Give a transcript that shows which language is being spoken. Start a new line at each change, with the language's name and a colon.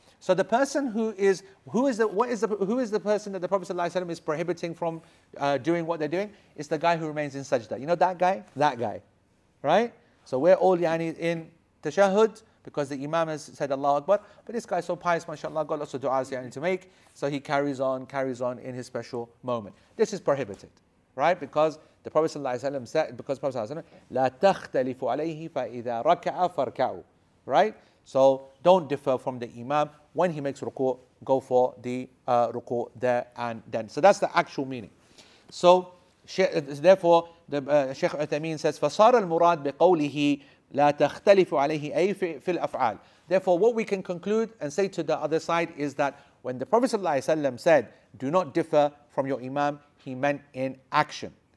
English: So the person who is the person that the Prophet ﷺ is prohibiting from doing what they're doing? It's the guy who remains in sajda. You know that guy? That guy. Right? So we're all yani in tashahud because the imam has said Allahu Akbar. But this guy is so pious, mashallah, got lots of du'as yani to make. So he carries on in his special moment. This is prohibited, right? Because the Prophet ﷺ said,
Arabic: لا تختلف عليه فإذا ركع فركعوا.
English: Right? So don't differ from the imam. When he makes ruku', go for the ruku' there and then. So that's the actual meaning. So therefore, Sheikh Uthameen says,
Arabic: فَصَارَ الْمُرَادِ بِقَوْلِهِ لَا تَخْتَلِفُ عَلَيْهِ أَيْ فِي الْأَفْعَالِ.
English: Therefore, what we can conclude and say to the other side is that when the Prophet ﷺ said, do not differ from your imam, he meant in action.